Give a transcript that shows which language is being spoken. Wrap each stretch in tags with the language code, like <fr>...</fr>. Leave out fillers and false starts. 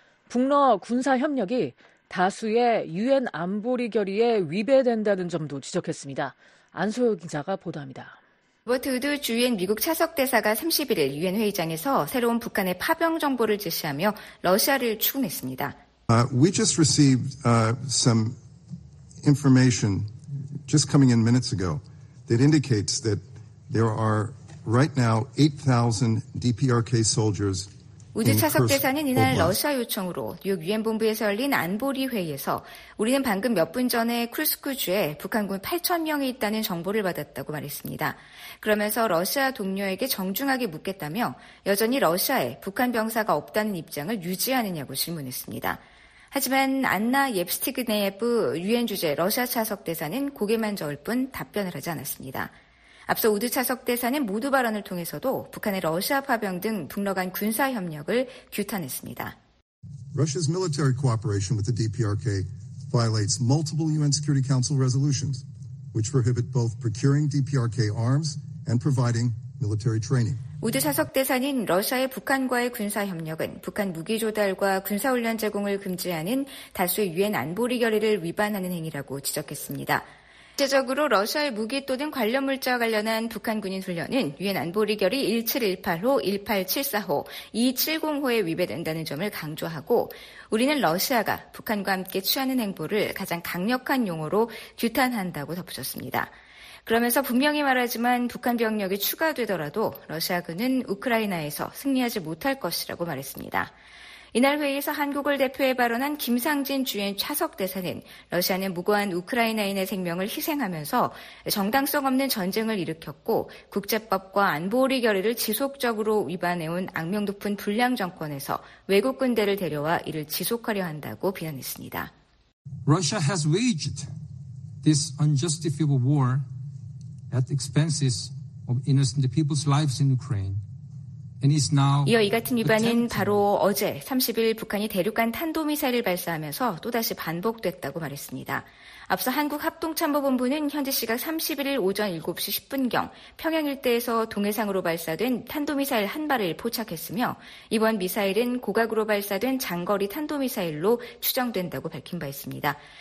<ko>북러 군사협력이 다수의 유엔 안보리 결의에 위배된다는 점도 지적했습니다. 안소혁 기자가 보도합니다. 로버트 우드 주 유엔 미국 차석대사가 31일 유엔 회의장에서 새로운 북한의 파병 정보를 제시하며 러시아를 추궁했습니다.</ko> <en>We just received some information just coming in minutes ago that indicates that there are right now 8,000 DPRK soldiers.</en> <ko>우드 차석대사는 이날 러시아 요청으로 뉴욕 유엔 본부에서 열린 안보리 회의에서 우리는 방금 몇 분 전에 쿠르스크 주에 북한군 8,000명이 있다는 정보를 받았다고 말했습니다. 그러면서 러시아 동료에게 정중하게 묻겠다며 여전히 러시아에 북한 병사가 없다는 입장을 유지하느냐고 질문했습니다. 하지만 안나 옙스티그네예프 유엔 주재 러시아 차석대사는 고개만 저을 뿐 답변을 하지 않았습니다. 앞서 우드 차석대사는 모두 발언을 통해서도 북한의 러시아 파병 등 북러 간 군사협력을 규탄했습니다.</ko> <en>Russia's military cooperation with the DPRK violates multiple UN Security Council resolutions, which prohibit both procuring DPRK arms and providing military training.</en> <ko>우드 차석대사는 러시아의 북한과의 군사협력은 북한 무기 조달과 군사훈련 제공을 금지하는 다수의 유엔 안보리 결의를 위반하는 행위라고 지적했습니다. 실제적으로 러시아의 무기 또는 관련 물자와 관련한 북한 군인 훈련은 유엔 안보리 결의 1718호, 1874호, 270호에 위배된다는 점을 강조하고 우리는 러시아가 북한과 함께 취하는 행보를 가장 강력한 용어로 규탄한다고 덧붙였습니다. 그러면서 분명히 말하지만 북한 병력이 추가되더라도 러시아군은 우크라이나에서 승리하지 못할 것이라고 말했습니다. 이날 회의에서 한국을 대표해 발언한 김상진 주엔 차석대사는 러시아는 무고한 우크라이나인의 생명을 희생하면서 정당성 없는 전쟁을 일으켰고 국제법과 안보리 결의를 지속적으로 위반해온 악명 높은 불량 정권에서 외국 군대를 데려와 이를 지속하려 한다고 비난했습니다.</ko> <en>Russia has waged this unjustifiable war at the expenses of innocent people's lives in Ukraine.</en> <ko>이어 이 같은 위반은 바로 어제 30일 북한이 대륙간 탄도미사일을 발사하면서 또다시 반복됐다고 말했습니다. 앞서 한국합동참모본부는 현지 시각 31일 오전 7시 10분경 평양 일대에서 동해상으로 발사된 탄도미사일 한 발을 포착했으며 이번 미사일은 고각으로 발사된 장거리 탄도미사일로 추정된다고 밝힌 바 있습니다.</ko>